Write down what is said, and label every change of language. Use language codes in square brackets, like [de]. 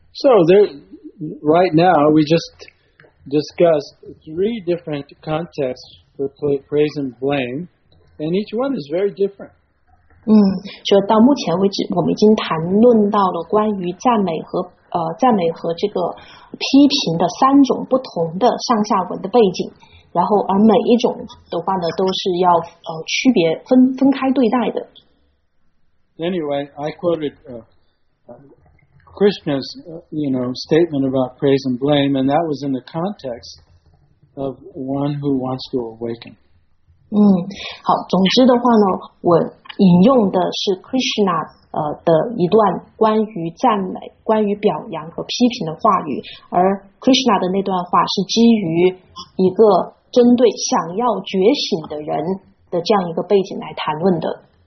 [en] So there, right now we just discussed three different contexts for praise and blame, and each one is very different. [zh] 所以到目前为止，我们已经谈论到了关于赞美和这个批评的三种不同的上下文的背景，然后而每一种的话呢，都是要区别分开对待的。 [en] Anyway, I quoted Krishna's statement about praise and blame, and that was in the context of one who wants to awaken. [zh] 好，总之的话呢，我引用的是 Krishna 的一段关于赞美、关于表扬和批评的话语，而 Krishna 的那段话是基于一个针对想要觉醒的人的这样一个背景来谈论的。